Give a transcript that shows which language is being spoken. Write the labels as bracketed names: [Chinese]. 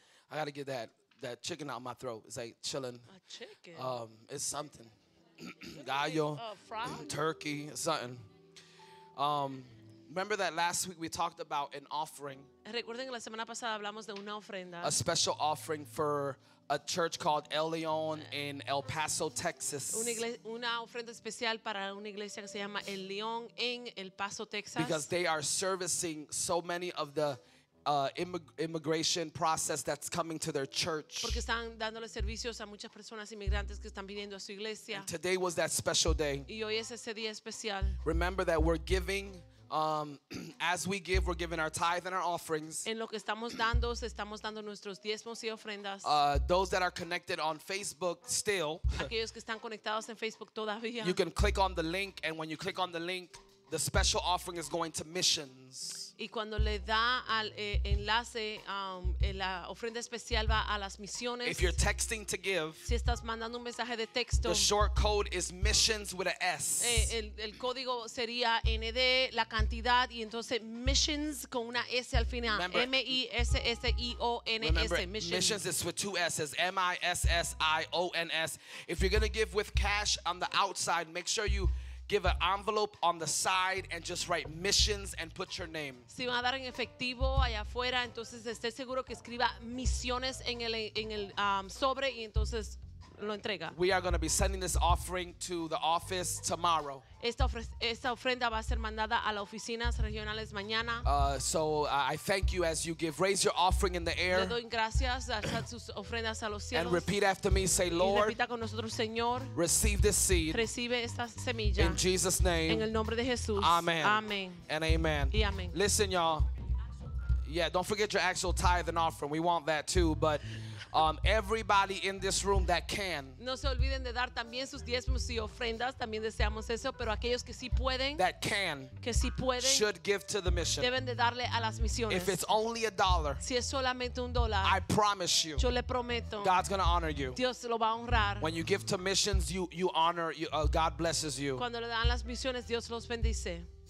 [English] I gotta get that chicken out of my throat. It's like chilling. A chicken? It's something. Gallo. Frog? Turkey. Something. Remember that last week we talked about an offering. [Spanish] Recuerden que la semana pasada hablamos de una ofrenda. [English] A special offering for a church called El León in El Paso, Texas. [Spanish] Una ofrenda especial para una iglesia que se llama El León en El Paso, Texas. [English] Because they are servicing so many of the immigration process that's coming to their church. [Spanish] Porque están dándole servicios a muchas personas inmigrantes que están viniendo a su iglesia. [English] Today was that special day. [Spanish] Y hoy es ese día especial. [English] Remember that we're giving As we give, we're giving our tithe and our offerings. [Spanish] En lo que estamos dando, estamos dando nuestros diezmos y ofrendas. [English] Those that are connected on Facebook still. [Spanish] Aquellos que están conectados en Facebook todavía. [English] You can click on the link, and when you click on the link, the special offering is going to missions. [Spanish] Y cuando le da al enlace, la ofrenda especial va a las misiones. [English] If you're texting to give, [Spanish] si estás mandando un mensaje de texto, [English] the short code is missions with an S. [Spanish] El código sería ND, la cantidad, y entonces missions con una S al final. [English] M-I-S-S-I-O-N-S. Missions is with two S's. M-I-S-S-I-O-N-S. If you're going to give with cash on the outside, make sure you give an envelope on the side and just write missions and put your name. [Spanish] Si van a dar en efectivo allá afuera, entonces esté seguro que escriba misiones en el sobre y entonces lo entrega. [English] We are going to be sending this offering to the office tomorrow. [Spanish] Esta ofrenda va a ser mandada a las oficinas regionales mañana. [English] So I thank you as you give. Raise your offering in the air. [Spanish] Le doy gracias, alza sus ofrendas a los cielos. [English] And repeat after me, say, Lord, [Spanish] repita con nosotros, Señor, [English] receive this seed. [Spanish] Recibe esta semilla. [English] In Jesus' name. [Spanish] En el nombre de Jesús. [English] Amen. [Spanish] Amen. [English] And amen. [Spanish] Y amen. [English] Listen, y'all. Yeah, don't forget your actual tithe and offering. We want that too, but everybody in this room that can. [Spanish] No se olviden de dar también sus diezmos y ofrendas. También deseamos eso, pero aquellos que sí pueden. [English] That can. [Spanish] Que sí pueden. [English] Should give to the mission. [Spanish] Deben de darle a las misiones. [English] If it's only a dollar. [Spanish] Si es solamente un dólar. [English] I promise you. [Spanish] Yo le prometo. [English] God's gonna honor you. [Spanish] Dios lo va a honrar. [English] When you give to missions, you honor. God blesses you. [Spanish] Cuando le dan las misiones, Dios los bendice.